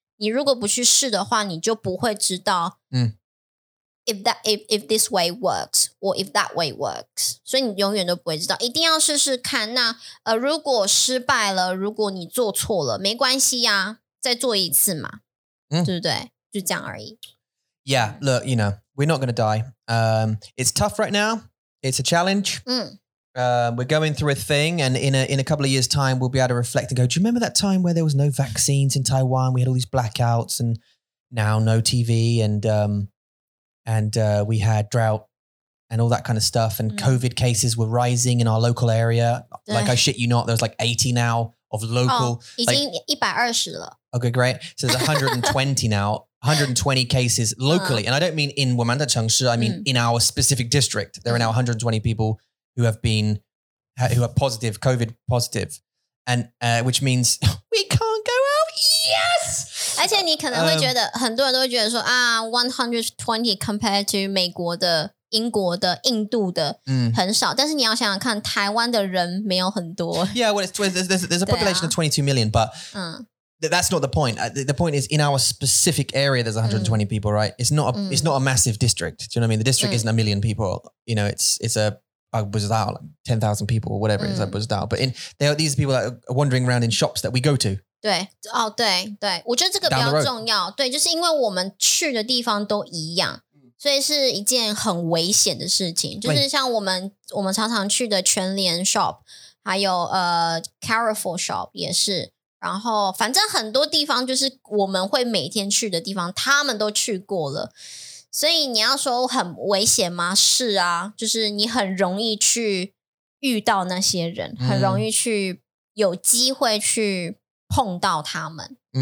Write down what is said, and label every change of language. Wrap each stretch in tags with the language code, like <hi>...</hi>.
<zh>你如果不去试的话，你就不会知道。</zh> <en>If this way works or if that way works,</en> <zh>所以你永远都不会知道，一定要试试看。那如果失败了，如果你做错了，没关系呀，再做一次嘛，对不对？就这样而已。</zh> <en>Yeah, look, you know, we're not going to die. It's tough right now. It's a challenge. We're going through a thing, and in a couple of years' time, we'll be able to reflect and go, "Do you remember that time where there was no vaccines in Taiwan? We had all these blackouts, and now no TV and." And we had drought and all that kind of stuff. And COVID cases were rising in our local area. Like I shit you not, there's like 80 now of local. Oh, like,</en> <zh>已经120了。</zh> <en>Okay, great. So there's 120 now, 120 cases locally. And I don't mean in Womanda Chengshi, I mean in our specific district. There are now 120 people who have been, who are positive, COVID positive. And which means we can't go out. Yes!</en> <zh>而且你可能会觉得很多人都会觉得说啊 ,120</zh> <en>compared to</en> <zh>美国的英国的印度的很少但是你要想想看台湾的人没有很多。</zh> <en>Yeah, well, there's a population of 22 million, but That's not the point. The point is, in our specific area, there's 120 people, right? It's not a, it's not a massive district. Do you know what I mean? The district isn't a million people. You know, it's a Buzdao, like 10,000 people or whatever it is, a Buzdao. But in there are these people that are wandering around in shops that we go to.</en> <zh>对，哦，对，对，我觉得这个比较重要。对，就是因为我们去的地方都一样。所以是一件很危险的事情，就是像我们常常去的全联 shop， 还有Carrefour shop 也是，然后反正很多地方就是我们会每天去的地方，他们都去过了，所以你要说很危险吗？是啊，就是你很容易去遇到那些人，很容易去有机会去碰到他们。</zh>